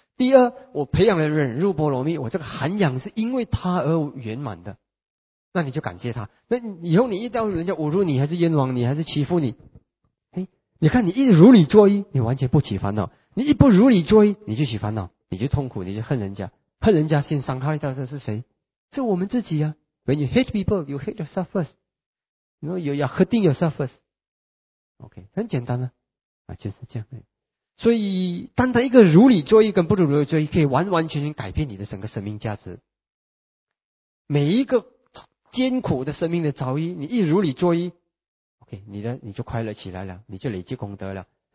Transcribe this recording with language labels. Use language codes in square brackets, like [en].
[zh] 第二，我培养了忍辱波罗蜜，我这个涵养是因为他而圆满的，那你就感谢他。那以后你遇到人家侮辱你，还是冤枉你，还是欺负你，你看你一如理作揖，你完全不起烦恼；你一不如理作揖，你就起烦恼，你就痛苦，你就恨人家，恨人家先伤害到的是谁？是我们自己啊。 [en] When you hate people, you hate yourself first. You know, you are hurting yourself first. [zh] OK, 很简单了啊，就是这样。所以单单一个如理作揖跟不如理作揖可以完完全全改变你的整个生命价值。每一个艰苦的生命的遭遇，你一如理作揖， OK, 你就快乐起来了，你就累积功德了。